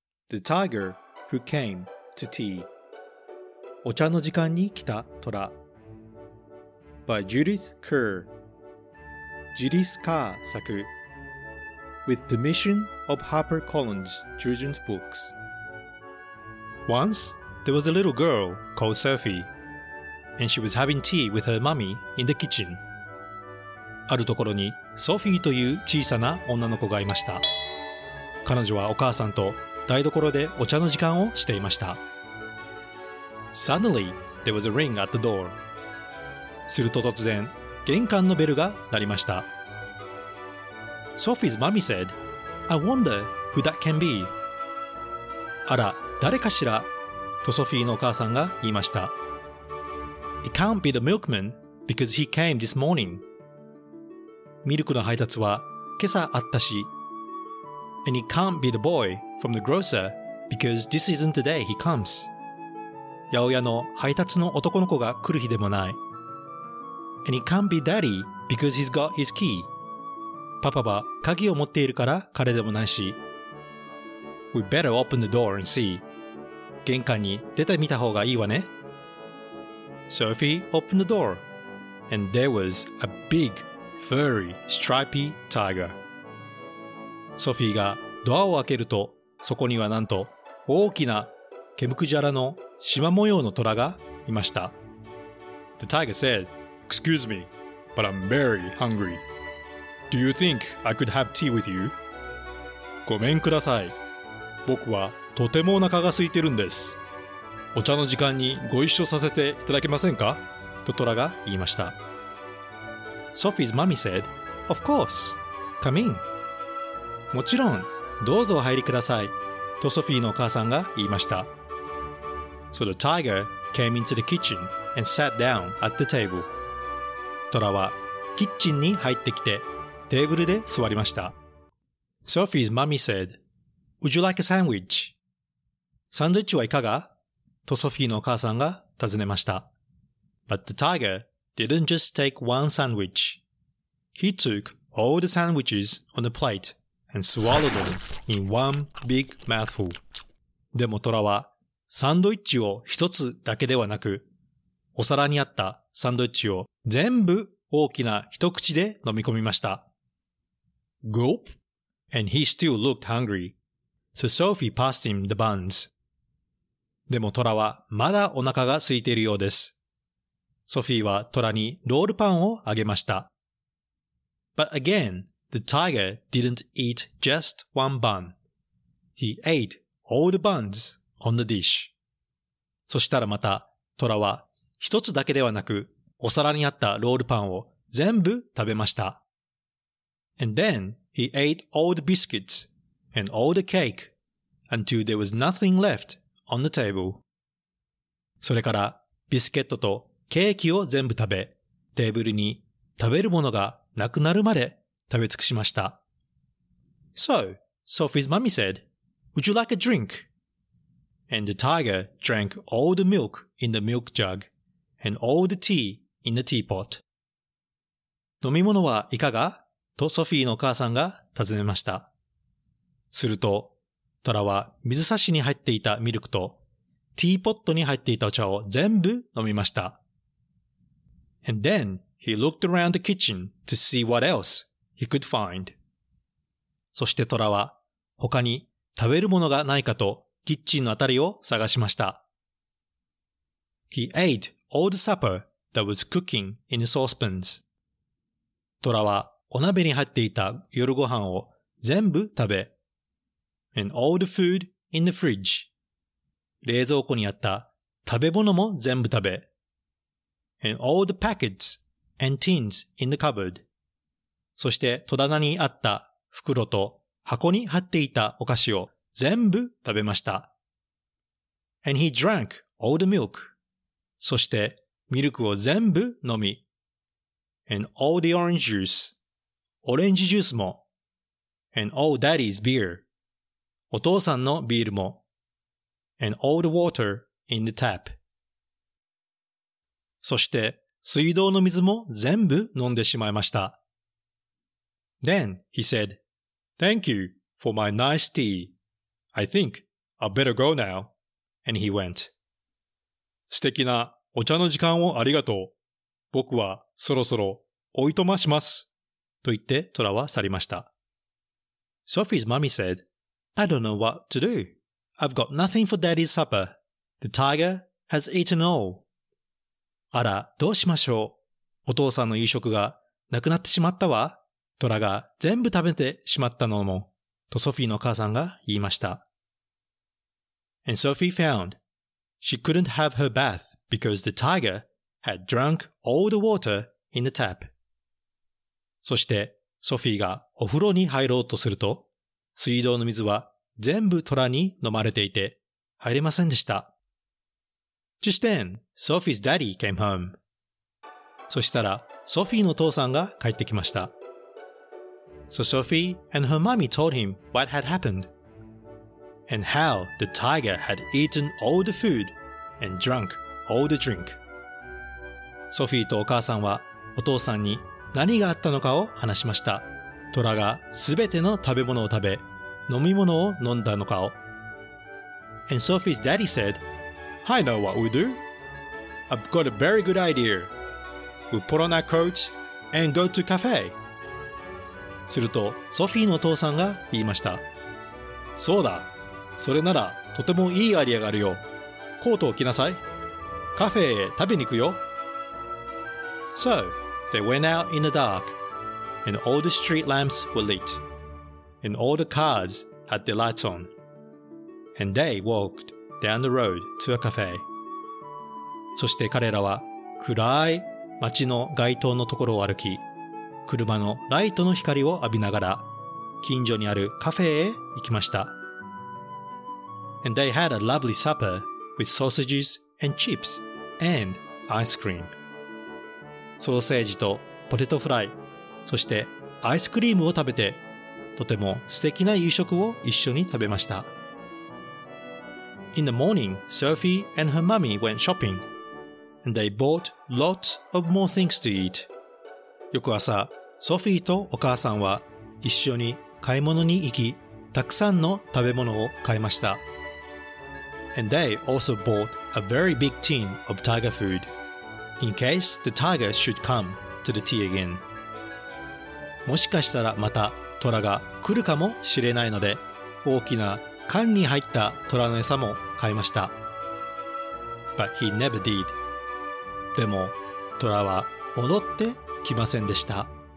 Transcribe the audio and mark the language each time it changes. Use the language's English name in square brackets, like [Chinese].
[English] The Tiger Who Came to Tea、 [Japanese] お茶の時間に来たトラ、 [English] by Judith Kerr、 Judith Kerr 作、 with permission of HarperCollins Children's Books。 Once there was a little girl called Sophie, and she was having tea with her mummy in the kitchen。 [Japanese] あるところにソフィーという小さな女の子がいました。彼女はお母さんと台所でお茶の時間をしていました。 [English] Suddenly there was a ring at the door。 [Japanese] すると突然、玄関のベルが鳴りました。 [English] Sophie's mommy said, I wonder who that can be. [Japanese] あら、誰かしら? とソフィーのお母さんが言いました。 [English] It can't be the milkman because he came this morning. [Japanese] ミルクの配達は今朝あったし。 [English] And it can't be the boy from the grocer because this isn't the day he comes. [Japanese] 八百屋の配達の男の子が来る日でもない。 [English] And it can't be daddy because he's got his key. [Japanese] パパは鍵を持っているから彼でもないし。 [English] We better open the door and see. [Japanese] 玄関に出てみた方がいいわね。 [English] Sophie opened the door, and there was a big, furry, stripy tiger. [Japanese] ソフィーがドアを開けると、そこにはなんと大きな毛むくじゃらの縞模様の虎がいました。 [English] The tiger said,Excuse me, but I'm very hungry. Do you think I could have tea with you? [Japanese] ごめんください。僕はとてもお腹が空いてるんです。お茶の時間にご一緒させていただけませんか? とトラが言いました。 [English] Sophie's mommy said, Of course, come in. [Japanese] もちろん、どうぞお入りください。とソフィーのお母さんが言いました。 [English] So the tiger came into the kitchen and sat down at the table. [Japanese] トラはキッチンに入ってきてテーブルで座りました。 [English] Sophie's mommy said, Would you like a sandwich? [Japanese] サンドイッチはいかが?とソフィーのお母さんが尋ねました。 [English] But the tiger didn't just take one sandwich. He took all the sandwiches on the plate and swallowed them in one big mouthful. [Japanese] でもトラはサンドイッチを一つだけではなく、お皿にあったサンドイッチを全部大きな一口で飲み込みました。 [English] Gulp! And he still looked hungry. So Sophie passed him the buns. [Japanese] でもトラはまだお腹が空いているようです。ソフィーはトラにロールパンをあげました。 [English] But again, the tiger didn't eat just one bun. He ate all the buns on the dish. [Japanese] そしたらまたトラは一つだけではなく、お皿にあったロールパンを全部食べました。 [English] And then he ate all the biscuits and all the cake until there was nothing left on the table. [Japanese] それからビスケットとケーキを全部食べ、テーブルに食べるものがなくなるまで食べ尽くしました。 [English] So, Sophie's mommy said, Would you like a drink? And the tiger drank all the milk in the milk jug.And all the tea in the teapot. [Japanese] 飲み物はいかが? とソフィーのお母さんが尋ねました。すると、トラは水差しに入っていたミルクとティーポットに入っていたお茶を全部飲みました。 [English] And then he looked around the kitchen to see what else he could find. [Japanese] そしてトラは他に食べるものがないかとキッチンのあたりを探しました。 [English] He ate all the supper that was cooking in the saucepans. [Japanese] トラはお鍋に入っていた夜ご飯を全部食べ、 [English] And all the food in the fridge. [Japanese] 冷蔵庫にあった食べ物も全部食べ、 [English] And all the packets and tins in the cupboard. [Japanese] そして戸棚にあった袋と箱に貼っていたお菓子を全部食べました。 [English] And he drank all the milk. [Japanese] そしてミルクを全部飲み、 [English] And all the orange juice. [Japanese] オレンジジュースも、 [English] and all daddy's beer, [Japanese] お父さんのビールも、 [English] and all the water in the tap. [Japanese] そして、水道の水も全部飲んでしまいました。 [English] Then he said, Thank you for my nice tea. I think I better go now. And he went. [Japanese] 素敵なお茶の時間をありがとう。僕はそろそろおいとまします。と言ってトラは去りました。 [English] Sophie's mommy said, I don't know what to do. I've got nothing for daddy's supper. The tiger has eaten all. [Japanese] あら、どうしましょう。お父さんの夕食がなくなってしまったわ。トラが全部食べてしまったのも。とソフィーのお母さんが言いました。 [English] And Sophie found, she couldn't have her bath because the tiger had drunk all the water in the tap. [Japanese] そして、ソフィーがお風呂に入ろうとすると、水道の水は全部トラに飲まれていて、入れませんでした。 [English] Just then, Sophie's daddy came home. [Japanese] そしたら、ソフィーのお父さんが帰ってきました。 [English] So Sophie and her mommy told him what had happened, and how the tiger had eaten all the food and drunk all the drink. [Japanese] ソフィーとお母さんはお父さんに、何があったのかを話しました。トラがすべての食べ物を食べ、飲み物を飲んだのかを。 [English] And Sophie's daddy said, I know what we'll do. I've got a very good idea. We'll put on our coats and go to cafe. [Japanese] すると、ソフィーのお父さんが言いました。そうだ。それならとてもいいアイデアがあるよ。コートを着なさい。カフェへ食べに行くよ。 [English] So,They went out in the dark, and all the street lamps were lit, and all the cars had their lights on, and they walked down the road to a cafe. [Japanese] そして彼らは暗い街の街灯のところを歩き、車のライトの光を浴びながら、近所にあるカフェへ行きました。 [English] And they had a lovely supper with sausages and chips and ice cream. [Japanese] ソーセージとポテトフライ、そしてアイスクリームを食べて、とても素敵な夕食を一緒に食べました。 [English] In the morning, Sophie and her mummy went shopping, and they bought lots of more things to eat. [Japanese] 翌朝、ソフィーとお母さんは一緒に買い物に行き、たくさんの食べ物を買いました。 [English] And they also bought a very big tin of tiger food. In case the tiger should come to the tea again. [Japanese] もしかしたらまたトラが来るかもしれないので、大きな缶に入ったトラの餌も買いました。 [English] But he never did. [Japanese] でもトラは戻ってきませんでした。